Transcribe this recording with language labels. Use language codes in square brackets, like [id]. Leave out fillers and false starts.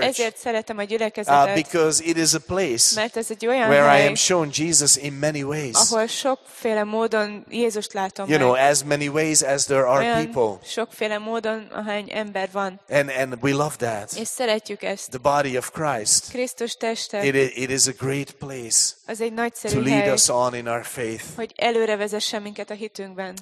[hu] És ezért szeretem a gyülekezetet. [en] Because it is a place [hu] mert ez egy olyan [en] where [hu] hely, [en] I am shown Jesus in many ways. [hu] Ahol sokféle módon Jézust látom. [en] You know, as many ways as there are people. [hu] Sokféle módon ahány ember van. [en] And we love that. [hu] És szeretjük ezt. [en] The body of Christ. [hu] Krisztus teste. [en] It is a great place to lead us on in our faith. [hu] Hogy előre vezessen minket a hitünkben.